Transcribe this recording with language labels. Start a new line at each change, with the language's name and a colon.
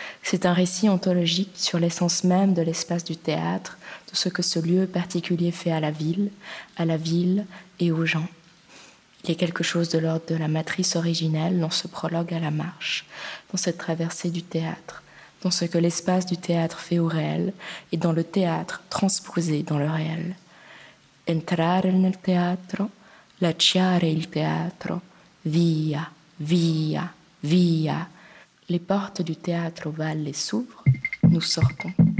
French: C'est un récit ontologique sur l'essence même de l'espace du théâtre, de ce que ce lieu particulier fait à la ville et aux gens. Il y a quelque chose de l'ordre de la matrice originelle dans ce prologue à la marche, dans cette traversée du théâtre, dans ce que l'espace du théâtre fait au réel et dans le théâtre transposé dans le réel.
Italian: Entrare nel teatro, lasciare il teatro, via, via, via.
French: Les portes du théâtre ovale les s'ouvrent, nous sortons.